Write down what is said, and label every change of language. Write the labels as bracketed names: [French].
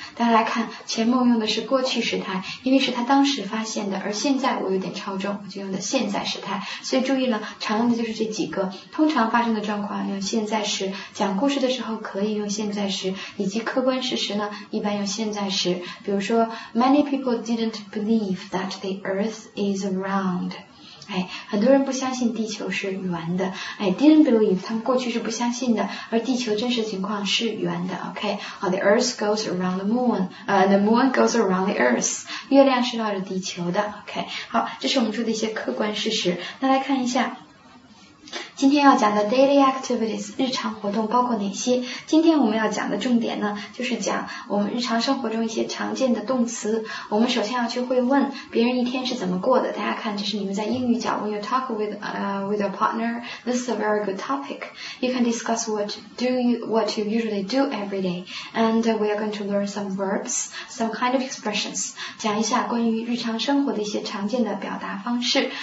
[Chinese] 大家来看，前面用的是过去时态，因为是他当时发现的，而现在我有点超重，我就用的现在时态。所以注意了，常用的就是这几个，通常发生的状况用现在时，讲故事的时候可以用现在时。以及客观事实呢，一般用现在时。比如说 [English] ，Many people didn't believe that the Earth is round。 [Chinese] 哎，很多人不相信地球是圆的。哎 ， [English] didn't believe， [Chinese] 他们过去是不相信的，而地球真实情况是圆的。 [English] OK， 好 ，The Earth goes around the moon， the moon goes around the Earth。 [Chinese] 月亮是绕着地球的。 OK， 好，这是我们说的一些客观事实。那来看一下。今天要讲的 daily activities 日常活动包括哪些？今天我们要讲的重点呢，就是讲我们日常生活中一些常见的动词。我们首先要去会问别人一天是怎么过的。大家看，这是你们在英语讲 [English] when you talk with a partner, this is a very good topic. You can discuss what you usually do every day, and we are going to learn some verbs, some kind of expressions. [Chinese] 讲一下关于日常生活的一些常见的表达方式。